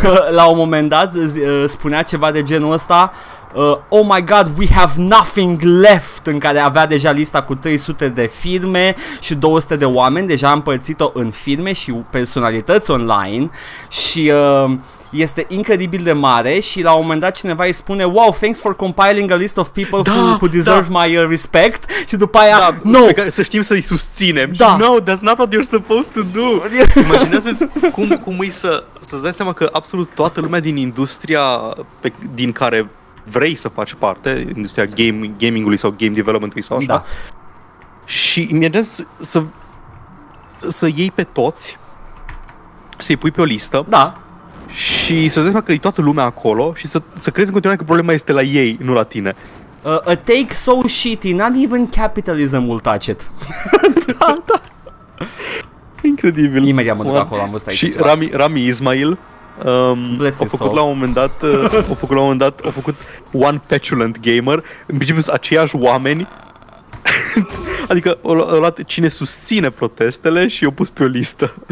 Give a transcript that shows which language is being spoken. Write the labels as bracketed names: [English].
[Romanian] La un moment dat spunea ceva de genul ăsta, [English] oh my god, we have nothing left, [Romanian] în care avea deja lista cu 300 de firme și 200 de oameni, deja împărțit-o în firme și personalități online și... este incredibil de mare și la un moment dat cineva îi spune: [English] wow, thanks for compiling a list of people who deserve my respect. [Romanian] Și după aia, [English] no! [Romanian] Pe care să știm să îi susținem. Da. [English] No, that's not what you're supposed to do. [Romanian] Imaginează-ți cum e să-ți dai seama că absolut toată lumea din industria din care vrei să faci parte, industria gamingului sau game developmentului sau așa, da. Și imaginează-ți să iei pe toți, să-i pui pe o listă. Da. Și să zicem că e toată lumea acolo și să crezi în continuare că problema este la ei, nu la tine. [English] A take so shitty, not even capitalism will touch it. [Romanian] Da, da. Incredibil. Imediat mă duc acolo, am văzut aici. Și Rami Ismail, a făcut la un moment dat, a făcut One Petulant Gamer, în principiu aceiași oameni. Adică a luat cine susține protestele și i-a pus pe o listă.